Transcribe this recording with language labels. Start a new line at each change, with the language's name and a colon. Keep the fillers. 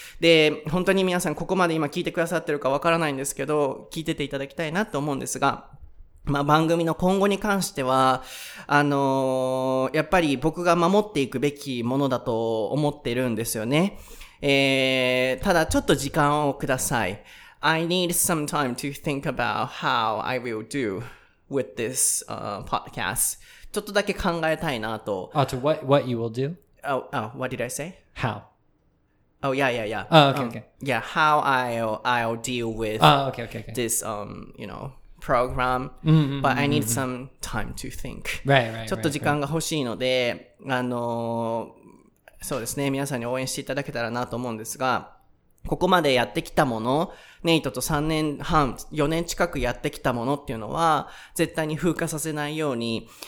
Japanese: で、本当に皆さんここまで今聞いてくださってるかわからないんですけど、聞いてていただきたいなと思うんですが、まあ、番組の今後に関しては、あのやっぱり僕が守っていくべきものだと思ってるんですよね。えー、ただちょっと時間をください。
English: I need some time to think about how I will do with this、uh, podcast.
Japanese: ちょっとだけ考えたいなと。
English: あ、と、what, what you will do? あ、h what did I say? How? Oh, yeah, yeah, yeah. Oh, okay, okay. Yeah, how I'll, I'll deal with oh, okay, o k a this, um, you know, program. but I need some time to think. Right, right.
Japanese: ちょっと時間が欲しいので、あの、そうですね、皆さんに応援していただけたらなと思うんですが、ここまでやってきたもの、ネイトと3年半、4年近くやってきたものっていうのは、絶対に風化させないように、